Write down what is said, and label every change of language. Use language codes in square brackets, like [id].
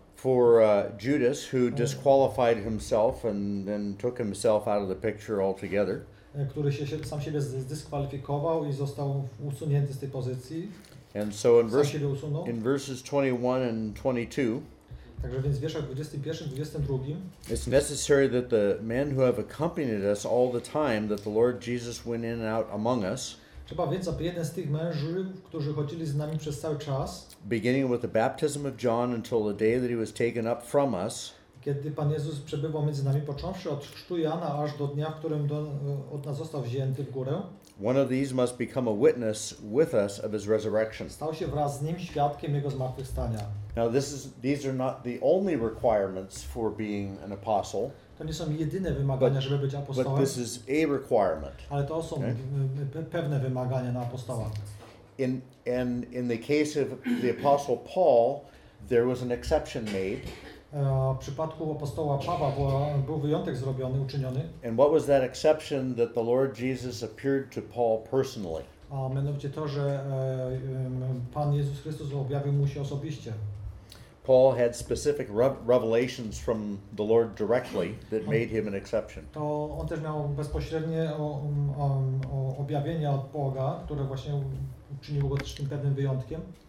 [en] For Judas, who disqualified himself and then took himself out of the picture altogether. [pl] Który się sam siebie zdyskwalifikował i został usunięty z tej pozycji. [en] And so in verses 21 and 22. [pl] Także więc w wierszach 21 22. [en] It's necessary that the men who have accompanied us all the time that the Lord Jesus went in and out among us. [pl] Trzeba więc, aby jeden z tych mężów, którzy chodzili z nami przez cały czas, [en] beginning with the baptism of John until the day that he was taken up from us. [pl] Kiedy Pan Jezus przebywał między nami, począwszy od chrztu Jana, aż do dnia, w którym od nas został wzięty w górę, [en] one of these must become a witness with us of his resurrection. [pl] Stał się wraz z nim świadkiem jego zmartwychwstania. [en] Now these are not the only requirements for being an apostle. [pl] To nie są jedyne wymagania, [en] but, [pl] żeby być apostołem. [en] But this is a requirement. [pl] Ale to są pewne wymagania na apostoła. [en] In the case of the apostle Paul, There was an exception made. [pl] W przypadku apostoła Pawła był wyjątek zrobiony, uczyniony. [en] And what was that exception that the Lord Jesus appeared to Paul personally? [pl] A mianowicie to, że Pan Jezus Chrystus objawił mu się osobiście. [en] Paul had specific revelations from the Lord directly that made him an exception. [pl] To on też miał bezpośrednie objawienia od Boga, które właśnie uczyniło go też tym pewnym wyjątkiem.